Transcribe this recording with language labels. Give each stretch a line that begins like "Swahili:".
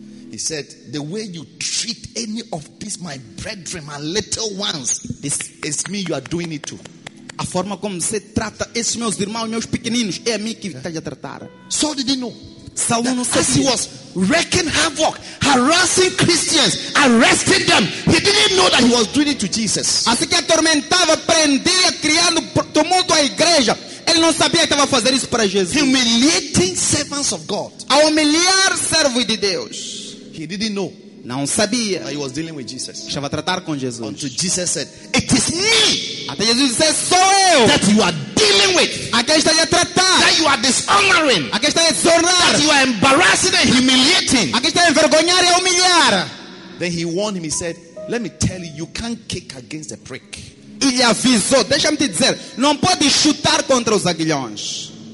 English: He said, the way you treat any of these my brethren, my little ones, this is me you are doing it to.
Portuguese: A forma como você trata esses meus irmãos, meus pequeninos, é a mim que está a tratar.
English: So did he know? Saul
Portuguese: não sabia.
English: As he was wreaking havoc, harassing Christians, arresting them, he didn't know that he was doing it to Jesus.
Portuguese: Assim que atormentava, prendia, criando tumulto à igreja. Ele não sabia que estava a fazer isso para Jesus.
English: Humiliating servants of God.
Portuguese: A humilhar servos de Deus.
English: He didn't know.
Portuguese: Não sabia.
English: He was dealing with Jesus.
Portuguese: Estava a tratar com Jesus.
English: Until Jesus said, it is me.
Portuguese: Até Jesus disse, sou eu.
English: That you are dealing with.
Portuguese: A quem está a tratar.
English: That you are dishonoring.
Portuguese: A quem está a desonrar.
English: That you are embarrassing and humiliating.
Portuguese: A quem está a envergonhar e a humilhar.
English: Then he warned him, he said, let me tell you, you can't kick against the prick.
Portuguese: Ele avisou, deixa-me te dizer, não pode chutar contra os aguilhões.